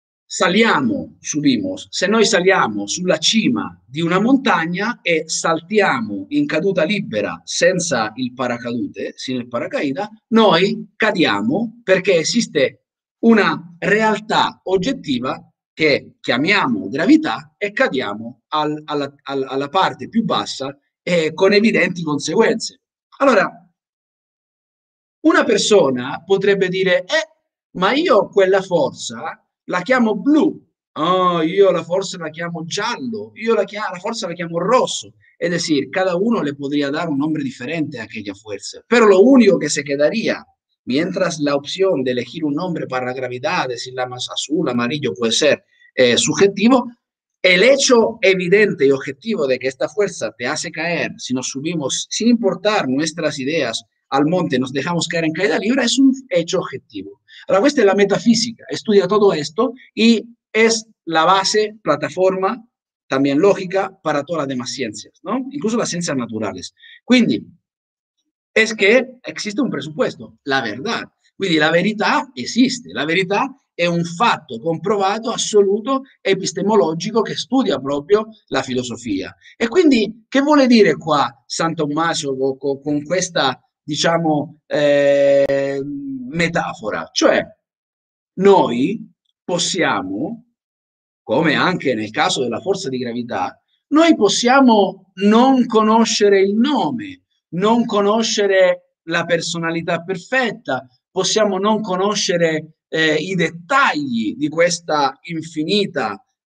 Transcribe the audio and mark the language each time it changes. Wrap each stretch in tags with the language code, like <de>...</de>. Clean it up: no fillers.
<it>Saliamo,</it> <es>subimos.</es> <it>Se noi saliamo sulla cima di una montagna e saltiamo in caduta libera senza il paracadute,</it> <es>sino il paracaida,</es> <it>noi cadiamo perché esiste una realtà oggettiva che chiamiamo gravità e cadiamo alla parte più bassa e con evidenti conseguenze. Allora, una persona potrebbe dire, ma io quella forza la chiamo blu, oh, io la forza la chiamo giallo, io la forza la chiamo rosso, ed è</it> <es>sì, cada uno le potría dar un nombre diferente a aquella fuerza, pero lo único que se quedaría, mientras la opción de elegir un nombre para la gravedad, si la más azul, amarillo, puede ser subjetivo, el hecho evidente y objetivo de que esta fuerza te hace caer, si nos subimos sin importar nuestras ideas al monte, nos dejamos caer en caída libre, es un hecho objetivo. Ahora, esta es la metafísica, estudia todo esto y es la base, plataforma, también lógica para todas las demás ciencias, ¿no? Incluso las ciencias naturales.</es> <it>Quindi,</it> <es>es que existe un presupuesto, la verdad.</es> <it>Quindi, la verità esiste, la verità è un fatto comprovato, assoluto, epistemologico che studia proprio la filosofia. E quindi, che vuole dire qua San Tommaso con questa, diciamo, metafora, cioè noi possiamo, come anche nel caso della forza di gravità, noi possiamo non conoscere il nome, non conoscere la personalità perfetta, possiamo non conoscere i dettagli di questa infinita</it>